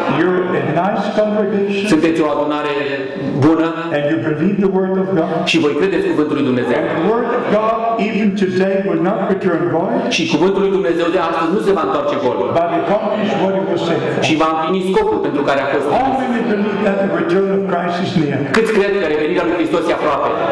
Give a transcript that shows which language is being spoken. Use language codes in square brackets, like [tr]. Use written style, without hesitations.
[en] You're a nice congregation. [ro] Sunteți o adunare bună. [en] And you believe the word of God. [ro] Și voi credeți cuvântul lui Dumnezeu. [en] And the word of God even today will not return void. [ro] Și cuvântul lui Dumnezeu de astăzi nu se va întoarce gol. [en] But it accomplish what it was sent. [ro] Și va împlini scopul pentru care a fost trimis. [en] How many believe that the return of Christ is near? [ro] Câți cred că revenirea lui Hristos e aproape?